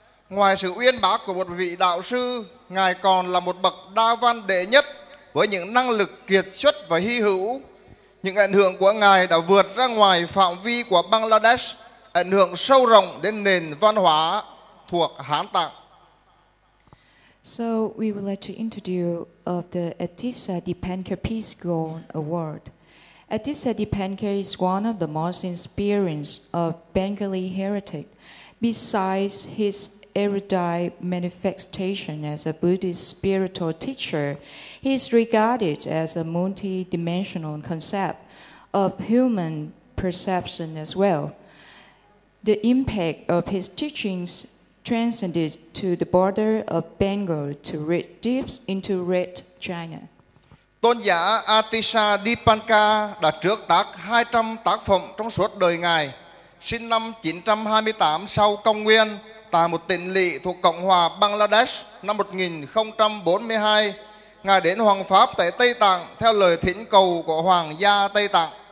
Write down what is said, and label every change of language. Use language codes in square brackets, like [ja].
[vi] Ngoài sự uyên bác của một vị đạo sư, Ngài còn là một bậc đa văn đệ nhất với những năng lực kiệt xuất và hy hữu. Những ảnh hưởng của Ngài đã vượt ra ngoài phạm vi của Bangladesh, ảnh hưởng sâu rộng đến nền văn hóa thuộc Hán Tạng. [en] So we would like to introduce of the Atisha Dipanka Peace Gold Award. Atisha Dipanka is one of the most inspiring of Bengali heritage. Besides his erudite manifestation as a Buddhist spiritual teacher, he is regarded as a multidimensional concept of human perception as well. The impact of his teachings transcended to the border of Bengal to reach deep into Red China. [vi] Tôn giả Atisha Dipanka đã trước tác 200 tác phẩm trong suốt đời ngài. Sinh năm 928 sau Công nguyên tại một tỉnh lỵ thuộc Cộng hòa Bangladesh. Năm 1042, ngài đến Hoàng Pháp tại Tây Tạng theo lời thỉnh cầu của Hoàng gia Tây Tạng.